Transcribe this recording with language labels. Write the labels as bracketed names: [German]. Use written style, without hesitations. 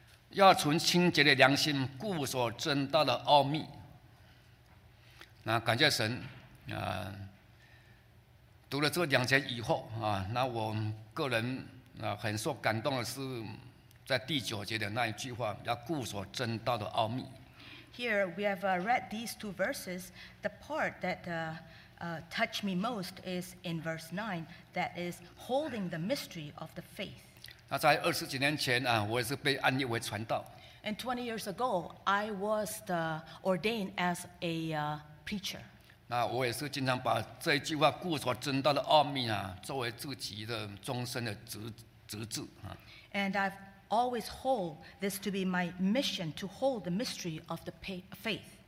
[Chinese] 要存清洁的良心，固守真道的奥秘。那感谢神，读了这两节以后那我个人很受感动的是，在第九节的那一句话，要固守真道的奥秘。 [English] Here we have read these two verses. The part that touched me most is in verse 9, that is holding the mystery of the faith. [Chinese] 那在二十几年前我也是被安利为传道。 [English] And 20 years ago, I was ordained as a preacher. [Chinese] 那我也是经常把这一句话固守真道的奥秘作为自己的终身的职志。 [English] And I've always hold this to be my mission to hold the mystery of the faith.